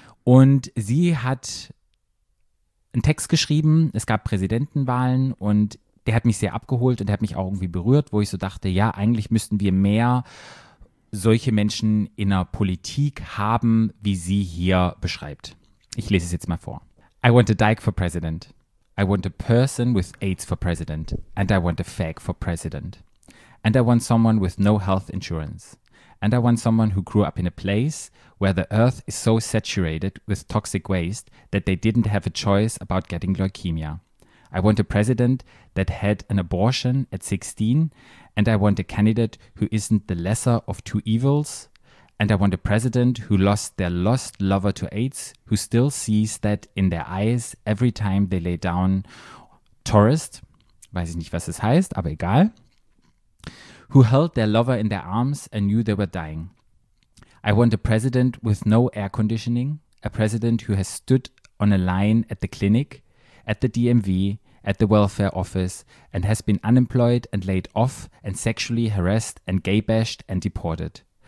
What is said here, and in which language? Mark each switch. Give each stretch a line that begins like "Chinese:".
German: Und sie hat einen Text geschrieben, es gab Präsidentenwahlen und der hat mich sehr abgeholt und der hat mich auch irgendwie berührt, wo ich so dachte, ja, eigentlich müssten wir mehr solche Menschen in der Politik haben, wie sie hier beschreibt. Ich lese es jetzt mal vor.
English: I want a dyke for president. I want a person with AIDS for president. And I want a fag for president. And I want someone with no health insurance. And I want someone who grew up in a place where the earth is so saturated with toxic waste that they didn't have a choice about getting leukemia. I want a president that had an abortion at 16. And I want a candidate who isn't the lesser of two evils. And I want a president who lost their lost lover to AIDS, who still sees that in their eyes every time they lay down.
German: Tourist, weiß ich nicht, was es heißt, aber egal.
English: Who held their lover in their arms and knew they were dying. I want a president with no air conditioning, a president who has stood on a line at the clinic, at the DMV, at the welfare office, and has been unemployed and laid off and sexually harassed and gay-bashed and deported.